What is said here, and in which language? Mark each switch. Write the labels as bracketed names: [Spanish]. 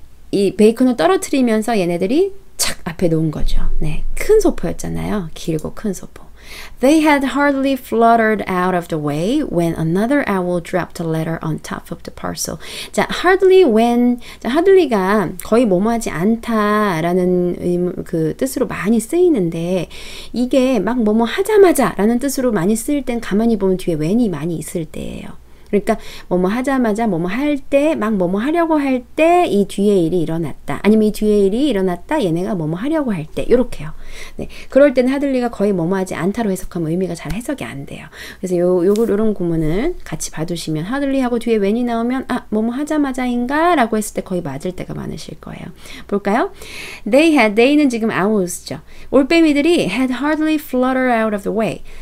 [Korean] 이 베이컨을 떨어뜨리면서 얘네들이 착 앞에 놓은 거죠. 네, 큰 소포였잖아요. 길고 큰 소포. [English] They had hardly fluttered out of the way when another owl dropped a letter on top of the parcel. [Korean] 자, hardly when, 자, hardly가 거의 뭐뭐하지 않다라는 그 뜻으로 많이 쓰이는데 이게 막 뭐뭐 하자마자라는 뜻으로 많이 쓰일 땐 가만히 보면 뒤에 when이 많이 있을 때예요. 그러니까 뭐뭐 하자마자 뭐뭐 할 때 막 뭐뭐 하려고 할 때 이 뒤에 일이 일어났다. 아니면 이 뒤에 일이 일어났다. 얘네가 뭐뭐 하려고 할 때 이렇게요. 네, 그럴 때는 하들리가 거의 뭐뭐 하지 않다로 해석하면 의미가 잘 해석이 안 돼요. 그래서 요런 구문은 같이 봐두시면 하들리하고 뒤에 when이 나오면 아 뭐뭐 하자마자인가 라고 했을 때 거의 맞을 때가 많으실 거예요. 볼까요? They는 지금 owls죠. 올빼미들이 [English] had hardly fluttered out of the way.